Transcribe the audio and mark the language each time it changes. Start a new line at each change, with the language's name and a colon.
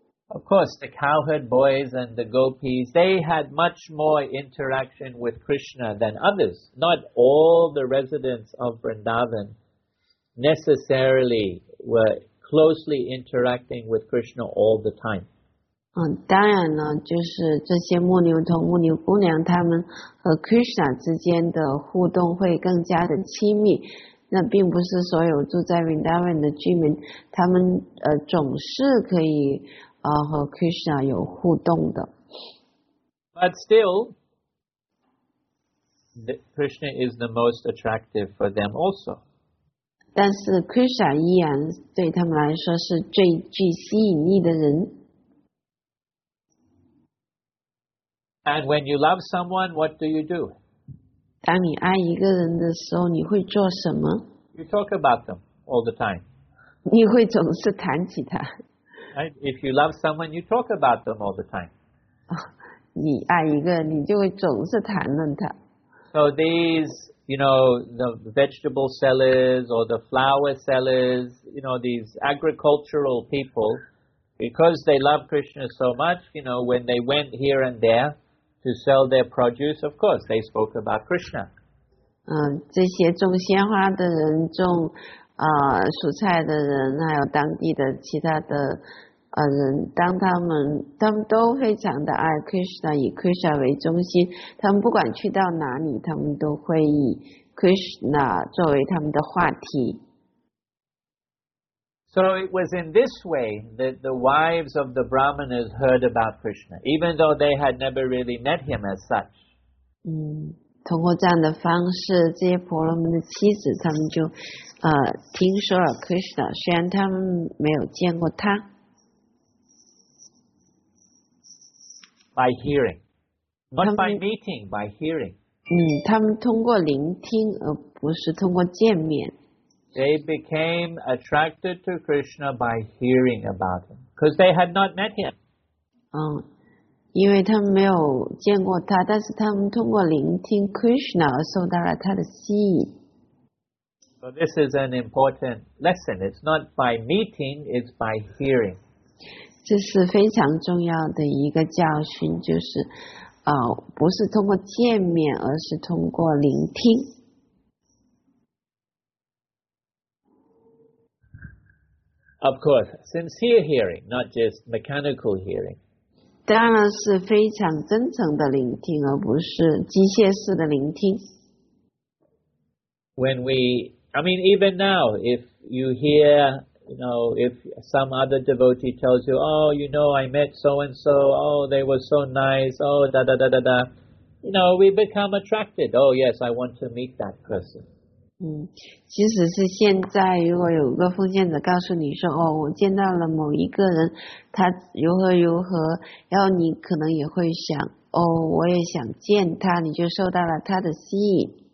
English: Of course, the cowherd boys and the gopis, they had much more interaction with Krishna than others. Not all the residents of Vrindavan necessarily were closely interacting with Krishna all the time.
Chinese: 当然呢，就是这些牧牛童、牧牛姑娘，他们和 Krishna 之间的互动会更加的亲密。那并不是所有住在 Vrindavan 的居民，他们总是可以和 Krishna 有互动的。
English: But still, Krishna is the most attractive for them also.
Chinese: 但是 Krishna 依然对他们来说是最具吸引力的人。
English: And when you love someone, what do you do?
Chinese: 当你爱一个人的时候，你会做什么？
English: You talk about them all the time.
Chinese: 你会总是谈起他。
English: If you love someone, you talk about them all the time.
Chinese: 你爱一个人，你就会总是谈论他。
English: So these, you know, the vegetable sellers or the flower sellers, you know, these agricultural people, because they love Krishna so much, you know, when they went here and there to sell their produce, of course, they spoke about Krishna.
Chinese: 这些种鲜花的人，种蔬菜的人，还有当地的其他的人，当他们都非常的爱 Krishna， 以 Krishna 为中心，他们不管去到哪里，他们都会以 Krishna 作为他们的话题。
English: So it was in this way that the wives of the brahmanas heard about Krishna, even though they had never really met him as such.
Chinese: 通过这样的方式，这些婆罗门的妻子，他们就听说了 Krishna， 虽然他们没有见过他。
English: By hearing, not by meeting, by hearing.
Chinese: 他们通过聆听，而不是通过见面。
English: They became attracted to Krishna by hearing about him, because they had not met him.
Chinese: 因为他们没有见过他，但是他们通过聆听 Krishna 而受到了他的吸引。
English: So this is an important lesson. It's not by meeting, it's by hearing.
Chinese: 这是非常重要的一个教训，就是不是通过见面，而是通过聆听。
English: Of course, sincere hearing, not just mechanical hearing.
Chinese: 当然是非常真诚的聆听，而不是机械式的聆听。
English: When we, I mean, even now, if you hear,You know, if some other devotee tells you, oh, you know, I met so-and-so, oh, they were so nice, oh, da-da-da-da-da, you know, we become attracted. Oh, yes, I want to meet that person.
Chinese: 即使是现在，如果有个奉献者告诉你说，哦，我见到了某一个人，他如何如何，然后你可能也会想，哦，我也想见他，你就受到了他的吸引。